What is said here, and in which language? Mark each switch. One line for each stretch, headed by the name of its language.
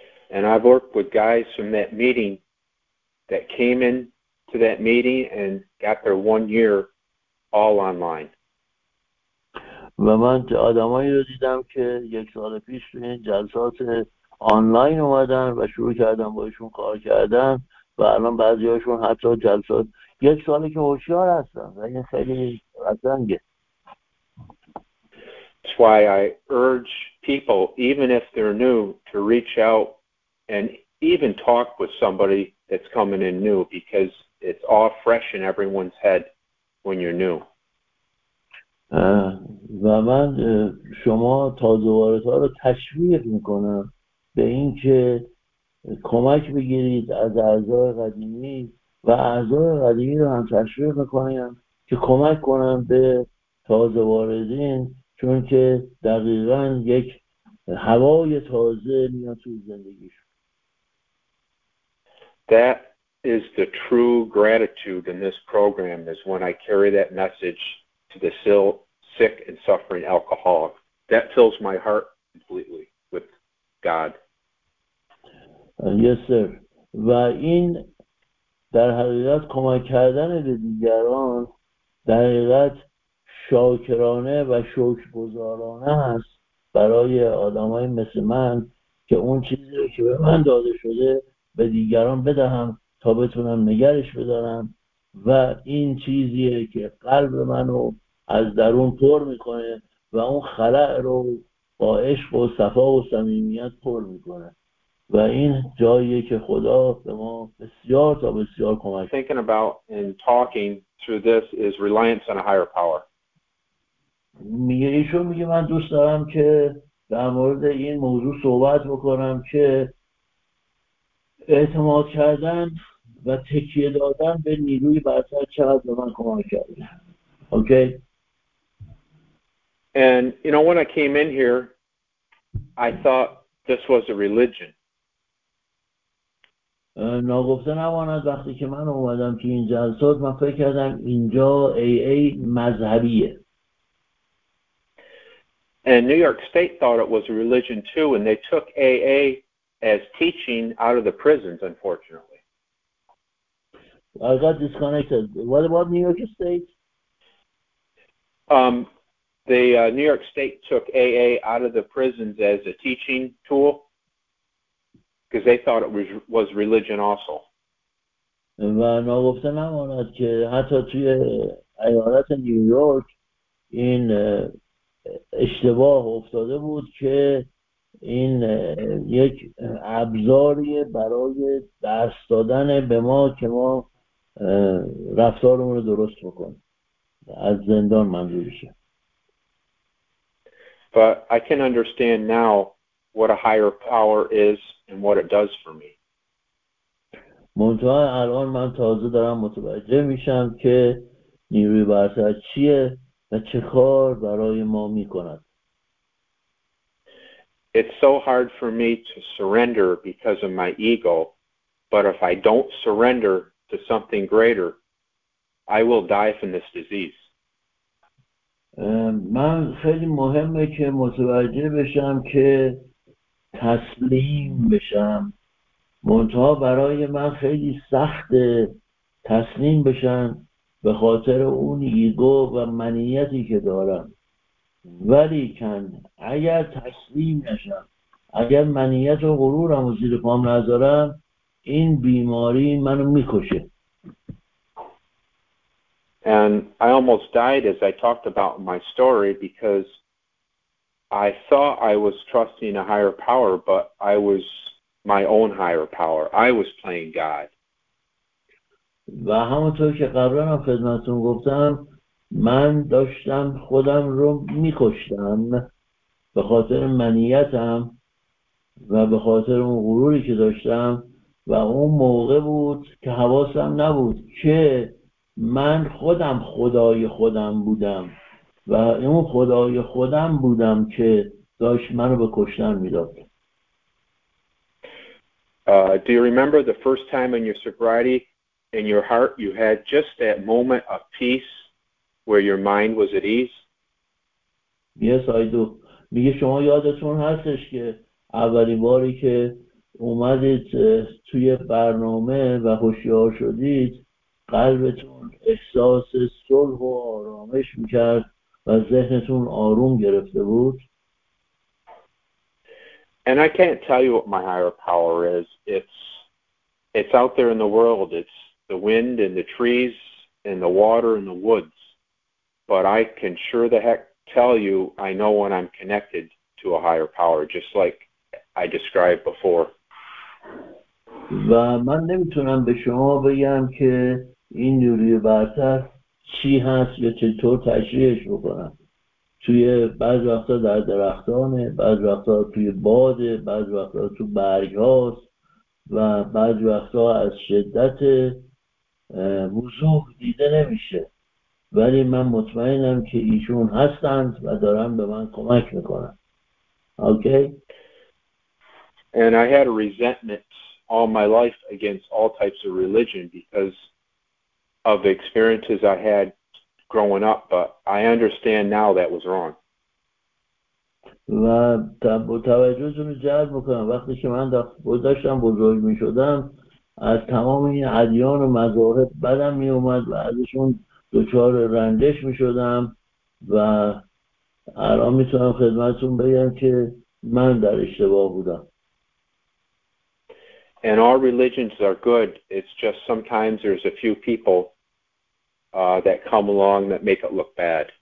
English: And I've worked with guys from that meeting that came in to that meeting and got their 1 year all online.
Persian: و من آدمایی رو دیدم که یک سال پیش توی این جلسات آنلاین اومدن و شروع کردن باشون کار کردن و الان بعضی هاشون حتی جلسات یک سالی که هوشیار هستن و این خیلی قشنگه.
English: That's why I urge people, even if they're new, to reach out and even talk with somebody that's coming in new, because it's all fresh in everyone's head when you're new.
Persian: و من شما تازه وارد ها رو تشویق میکنم به اینکه کمک بگیرید از اعضای قدیمی و اعضای قدیمی رو هم تشویق میکنم که کمک کنم به تازه واردین، چون که دقیقا یک هوای تازه میاد توی زندگیشون.
English: That is the true gratitude in this program, is when I carry that message to the sick and suffering alcoholic. That fills my heart completely with God. Yes, sir.
Persian: و این در حقیقت کمک کردن به دیگران در حقیقت شاکرانه و شکرگزارانه است برای آدمای مثل من که اون چیزی که به من داده شده به دیگران بدهم تا بتونم نگرش بدارم و این چیزیه که قلب منو از درون پر میکنه و اون خلأ رو با عشق و صفا و صمیمیت پر میکنه و این جاییه که خدا به ما بسیار تا بسیار کمک میکنه.
English: Thinking about and talking through this is reliance on a higher power.
Persian: میگه ایشون میگه من دوست دارم که در مورد این موضوع صحبت بکنم که اعتماد کردن و تکیه دادن به نیروی برتر چقدر به من کمک کرد.
English: Okay. And you know, when I came in here, I thought this was a religion.
Persian: ناگفته نماند وقتی که من اومدم که این جلسات، من فکر کردم اینجا AA مذهبیه.
English: And New York State thought it was a religion too, and they took AA as teaching out of the prisons, unfortunately. I got disconnected. What about New York State? The New York State took AA out of the prisons as a teaching tool because they thought it was religion also. And I was saying that even in New York, in mistake was that
Persian: این یک ابزاری برای درس دادن به ما که ما رفتارمون رو درست بکنیم. از زندان منظور میشه.
English: But I can understand now what a higher power is and what it does for me.
Persian: منتها الان من تازه دارم متوجه میشم که نیروی برتر چیه و چه کار برای ما میکنه.
English: It's so hard for me to surrender because of my ego, but if I don't surrender to something greater, I will die from this disease.
Persian: من خیلی مهمه که متوجه بشم که تسلیم بشم. منتها برای من خیلی سخته تسلیم بشم به خاطر اون ایگو و منیتی که دارم. ولی کن اگر تسلیم نشم، اگر منیت و غرورم رو زیر پام نذارم، این بیماری منو میکشه.
English: And I almost died as I talked about my story because I thought I was trusting a higher power, but I was my own higher power. I was playing God.
Persian: و همونطور که قبلا هم خدمتتون گفتم، من داشتم خودم رو میکشتم به خاطر منیتم و به خاطر اون غروری که داشتم و اون موقع بود که حواسم نبود که من خودم خدای خودم بودم و اون خدای خودم بودم که داشت منو به کشتن میداد.
English: Do you remember the first time in your sobriety in your heart you had just that moment of peace where your mind was at ease? Yes, I do.
Persian: میگه شما یادتون هستش که اولین باری که اومدید توی برنامه و هوشیار شدید قلبتون احساس صلح و آرامش میکرد و ذهنتون آروم گرفته بود.
English: And I can't tell you what my higher power is. It's out there in the world. It's the wind and the trees and the water and the woods. But I can sure the heck tell you I know when I'm connected to a higher power, just like I described before.
Persian: و من نمیتونم به شما بگم که این نیروی برتر چی هست یا چطور تشریحش بکنم. توی بعض وقتا در درختانه، بعض وقتا توی باده، بعض وقتا تو برگ هاست و بعض وقتا از شدت وضوح دیده نمیشه، ولی من مطمئنم که ایشون هستند و دارن به من کمک میکنن.
English: Okay? And I had a resentment all my life against all types of religion because of the experiences I had growing up, but I understand now that was wrong.
Persian: و توجهتون رو جلب میکنم، وقتی که من داشتم بزرگ میشدم از تمام این ادیان و مذاهب بدم میومد و ازشون دچار رنجش میشدم و الان میتونم خدمتتون بگم که من در اشتباه بودم.
English: And all religions are good. It's just sometimes there's a few people that come along that make it look bad.